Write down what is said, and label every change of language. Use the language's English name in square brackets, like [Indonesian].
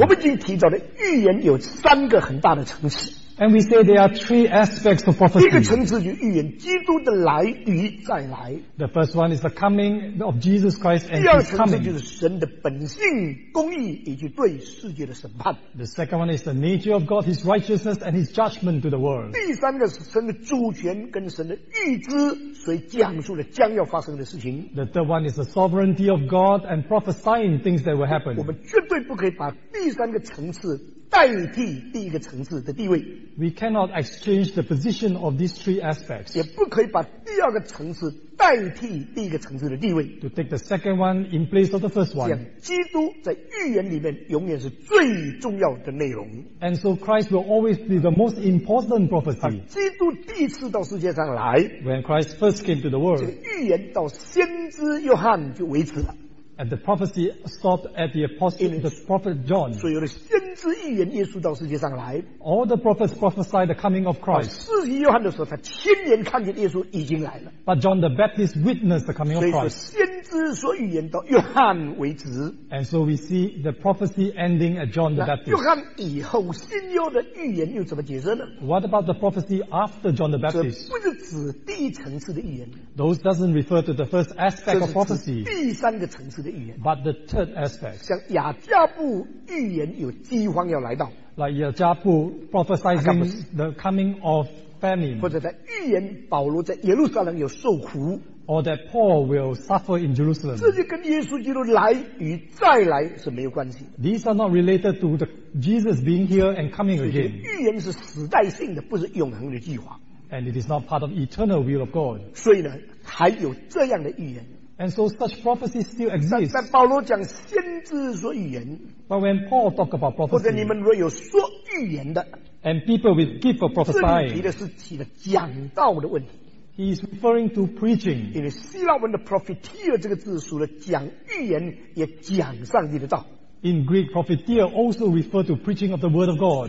[Chinese] 我们已经提到了预言有三个很大的层次。 [English] And we say there are three aspects of prophecy. [Chinese] 第一个层次就是预言基督的来与再来。 [English] The first one is the coming of Jesus Christ and His coming. [Chinese] 第二层次就是神的本性、公义以及对世界的审判。 [English] The second one is the nature of God, His righteousness and His judgment to the world. [Chinese] 第三个是神的主权跟神的预知，所以讲述了将要发生的事情。 [English] The third one is the sovereignty of God and prophesying things that will happen. [Chinese] 我们绝对不可以把第三个层次 代替第一个层次的地位。 [English] We cannot exchange the position of these three aspects. [Chinese] 也不可以把第二个层次代替第一个层次的地位。 [English] To take the second one in place of the first one. [Chinese] 基督在预言里面永远是最重要的内容。 [English] And so Christ will always be the most important prophecy. [Chinese] 基督第一次到世界上来。 [English] When Christ first came to the world. [Chinese] 这个预言到先知约翰就为止了。 [English] And the prophecy stopped at the apostle, the prophet John. [Chinese] 所有的先知预言耶稣到世界上来, [English] All the prophets prophesied the coming of Christ. [Chinese] 使徒约翰的时候，他亲眼看见耶稣已经来了。 [English] But John the Baptist witnessed the coming of Christ. [Chinese] 所以说先知所预言到约翰为止。 [English] And so we see the prophecy ending at John the Baptist. [Chinese] 约翰以后新约的预言又怎么解释呢？ [English] What about the prophecy after John the Baptist? [Chinese] 这不是指第一层次的预言。 [English] Those doesn't refer to the first aspect of prophecy. [Chinese] 这是指第三个层次。 [English] But the third aspect, [Chinese] 像亚加布预言有饥荒要来到, [English] like Yajabu prophesizing the coming of famine, [Chinese] 或者在预言保罗在耶路撒冷有受苦, [English] or that Paul will suffer in Jerusalem. [Chinese] 这就跟耶稣基督来与再来是没有关系. [English] These are not related to the Jesus being here and coming again. [Chinese] 预言是时代性的, 不是永恒的计划. [English] And it is not part of eternal will of God. [Chinese] 所以呢, 还有这样的预言. [English] And so such prophecy still exists. [Chinese] 但保罗讲先知说预言, [English] but when Paul talked about prophecy, [Chinese] 或者你们若有说预言的, [English] and people with gift of prophesying, [Chinese] 这里提的是讲道的问题, [English] he is referring to preaching. [Chinese] 因为希腊文的 prophetia 这个字属了讲预言也讲上帝的道。 [English] In Greek, prophetia also refers to preaching of the word of God.